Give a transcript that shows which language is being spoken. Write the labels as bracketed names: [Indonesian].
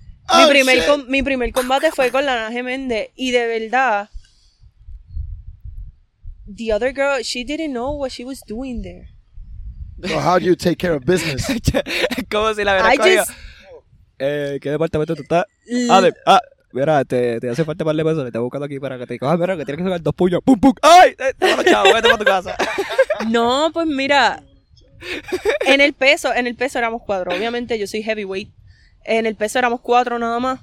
[Spanish] Oh, mi primer combate fue con la Ana Geméndez y de verdad... [English] The other girl, she didn't know what she was doing there. So how do you take care of business? [Spanish] Como si la verdad cogido. ¿Qué departamento tú estás? Mira, te hace falta más de peso. Le estoy buscando aquí para que te diga, mira, que tienes que sacar dos puños. ¡Pum, pum! ¡Ay! ¡Chao, vete para tu casa! No, pues mira. En el peso éramos cuatro. Obviamente yo soy heavyweight. En el peso éramos cuatro nada más.